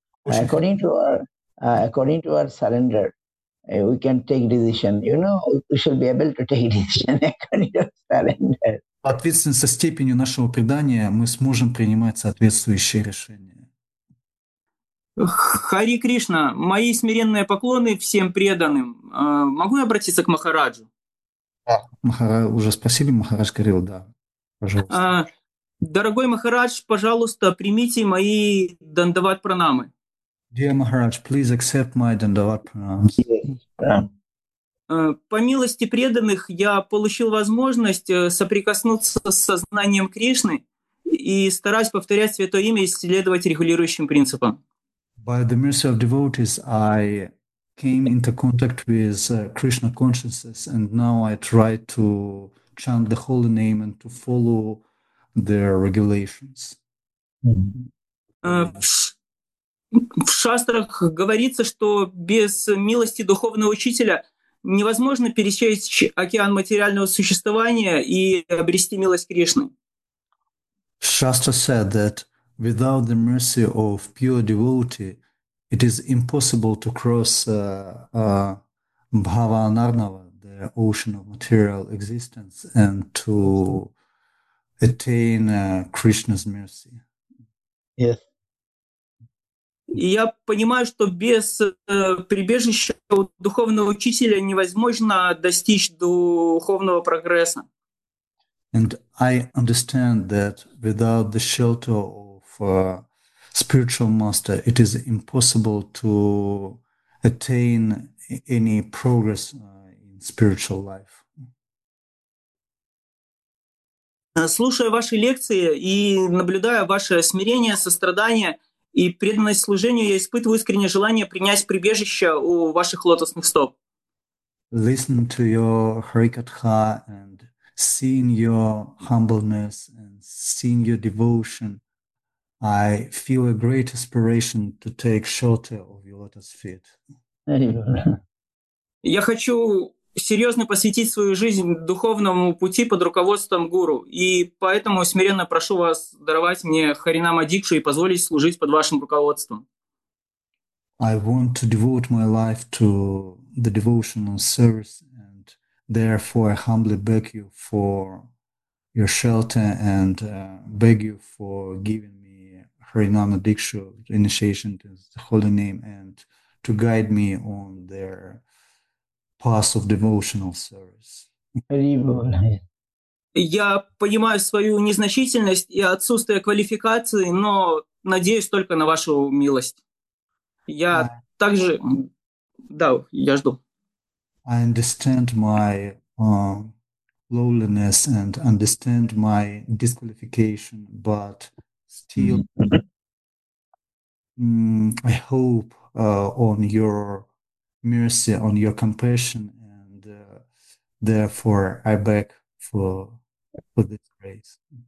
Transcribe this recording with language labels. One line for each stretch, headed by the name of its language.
English: According to our surrender, we can take decision. You know, we shall be able to take decision according to surrender.
Russian: Ответственно со степенью нашего предания мы сможем принимать соответствующие решения. Хари Кришна, мои смиренные поклоны всем преданным. Могу я обратиться к Махараджу? Уже спросили, Махарадж говорил, да, пожалуйста. Дорогой Махарадж, пожалуйста, примите мои дандават пранамы.
English: Dear Maharaj, please accept my dandavat pranams.
Russian: По милости преданных я получил возможность соприкоснуться с сознанием Кришны и стараюсь повторять святое имя и следовать регулирующим принципам.
English: By the mercy of devotees, I came into contact with Krishna consciousness, and now I try to chant the holy name and to follow their regulations.
Russian: В шастрах говорится, что без милости духовного учителя невозможно пересечь океан материального существования и обрести милость Кришны.
English: Shastra said that Without the mercy of pure devotee, it is impossible to cross Bhava Narnava, the ocean of material existence, and to attain Krishna's mercy. Yes.
Russian: Я понимаю, что без прибежища у духовного учителя невозможно достичь духовного прогресса.
English: And I understand that without the shelter of spiritual master, it is impossible to attain any progress in spiritual life.
Russian: Слушая ваши лекции и наблюдая ваше смирение, сострадание и преданность служению, я испытываю искреннее желание принять прибежище у ваших лотосных стоп.
English: Listen to your Harikatha and seeing your humbleness and seeing your devotion, I feel a great aspiration to take shelter of your lotus feet.
Russian: Я хочу серьезно посвятить свою жизнь духовному пути под руководством гуру, и поэтому смиренно прошу вас даровать мне харинама дикшу и позволить служить под вашим руководством.
English: I want to devote my life to the devotional service, and therefore I humbly beg you for your shelter and beg you for giving me харинама дикшу, initiation to the holy name, and to guide me on their path of devotional service.
Russian: Я понимаю свою незначительность и отсутствие квалификации, но надеюсь только на вашу милость. Я также... Да, я жду.
English: I understand my lowliness and understand my disqualification, but still I hope on your mercy, on your compassion, and therefore I beg for this grace.